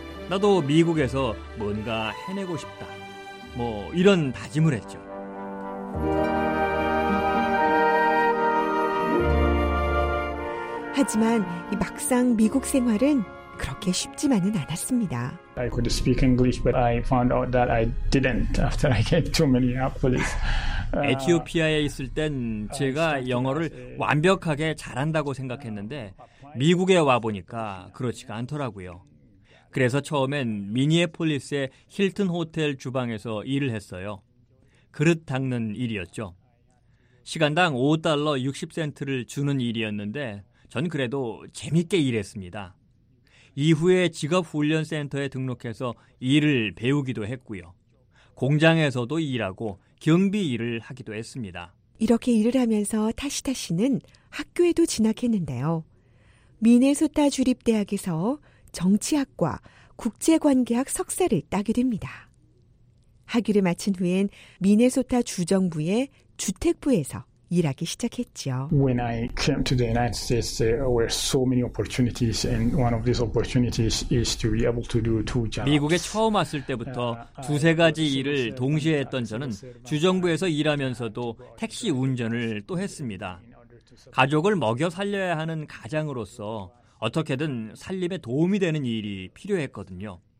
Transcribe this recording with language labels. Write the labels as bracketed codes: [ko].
[ko] 나도 미국에서 뭔가 해내고 싶다. 뭐 이런 다짐을 했죠. 하지만 이 막상 미국 생활은 그렇게 쉽지만은 않았습니다. [en] I could speak English, but I found out that I didn't after I came to Minneapolis. [ko] 에티오피아에 있을 땐 제가 영어를 완벽하게 잘한다고 생각했는데 미국에 와보니까 그렇지가 않더라고요. 그래서 처음엔 미니애폴리스의 힐튼 호텔 주방에서 일을 했어요. 그릇 닦는 일이었죠. 시간당 5달러 60센트를 주는 일이었는데 전 그래도 재밌게 일했습니다. 이후에 직업훈련센터에 등록해서 일을 배우기도 했고요. 공장에서도 일하고 경비 일을 하기도 했습니다. 이렇게 일을 하면서 타시타 씨는 학교에도 진학했는데요. 미네소타 주립대학에서 정치학과 국제관계학 석사를 따게 됩니다. 학위를 마친 후엔 미네소타 주정부의 주택부에서 일하기 시작했죠. [en] When I came to the United States, there were so many opportunities, and one of these opportunities is to be able to do two jobs. [ko] 미국에 처음 왔을 때부터 두세 가지 일을 동시에 했던 저는 주정부에서 일하면서도 택시 운전을 또 했습니다. 가족을 먹여 살려야 하는 가장으로서 어떻게든 살림에 도움이 되는 일이 필요했거든요.